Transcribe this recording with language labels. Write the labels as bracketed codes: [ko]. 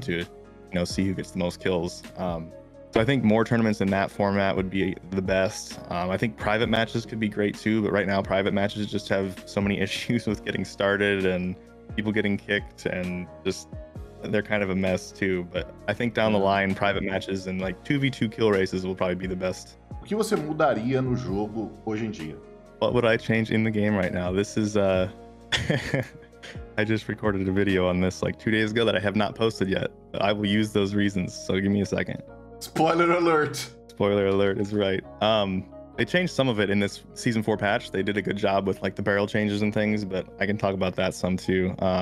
[en] to, you know, see who gets the most kills. So I think more tournaments in that format would be the best. I think private matches could be great too, but right now private matches just have so many issues with getting started and people getting kicked, and just they're kind of a mess too. But I think down the line, private matches and like 2v2 kill races will probably be the best. [pt] O que você mudaria no jogo hoje em dia? [en] What would I change in the game right now? This is I just recorded a video on this like 2 days ago that I have not posted yet, but I will use those reasons, so give me a second. Spoiler alert is right. They changed some of it in this season 4 patch. They did a good job with like the barrel changes and things, but I can talk about that some too.